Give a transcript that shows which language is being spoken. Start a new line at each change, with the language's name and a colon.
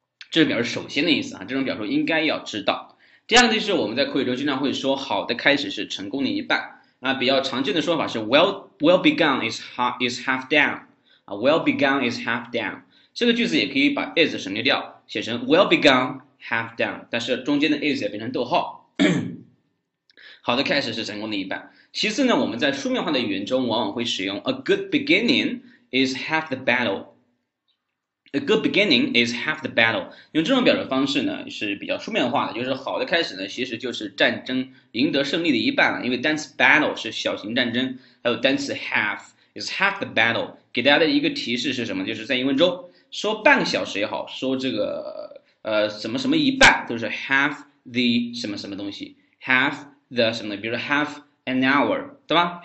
Chinese: 这是表示首先的意思啊，这种表述应该要知道。第二个就是我们在口语中经常会说好的开始是成功的一半啊，比较常见的说法是
English: well begun is half done
Chinese: 啊， well begun is half done。这个句子也可以把 is 省略掉，写成
English: well begun half done，
Chinese: 但是中间的 is 也变成逗号。好的开始是成功的一半。其次呢，我们在书面化的语言中往往会使用
English: a good beginning is half the battle。 A good beginning is half the battle.
Chinese: 用这种表述方式呢是比较书面化的，就是好的开始呢其实就是战争赢得胜利的一半了。因为单词 battle 是小型战争，还有单词 half is half the battle， 给大家的一个提示是什么，就是在英文中说半个小时也好，说这个什么什么一半都是 half the 什么什么东西， half the 什么，比如说 half an hour， 对吧？